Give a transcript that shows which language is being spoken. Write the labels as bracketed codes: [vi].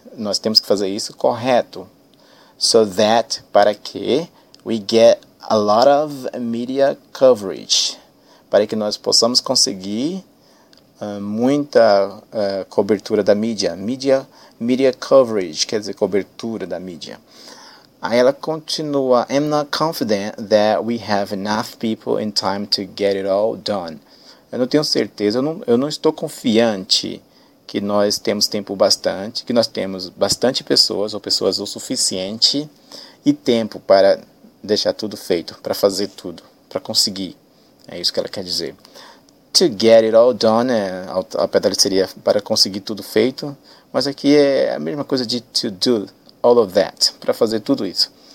[pt] Nós temos que fazer isso correto. [en] So that, [pt] para que, [en] we get a lot of media coverage. [pt] Para que nós possamos conseguir muita cobertura da mídia. Media coverage, quer dizer, cobertura da mídia. Aí ela continua, [en] I'm not confident that we have enough people in time to get it all done. [pt] Eu não tenho certeza, eu não estou confiante que nós temos tempo bastante, que nós temos bastante pessoas, ou pessoas o suficiente, e tempo para deixar tudo feito, para fazer tudo, para conseguir. É isso que ela quer dizer. [en] To get it all done, [pt] a pedaleira seria para conseguir tudo feito, mas aqui é a mesma coisa de [en] to do all of that, [pt] para fazer tudo isso.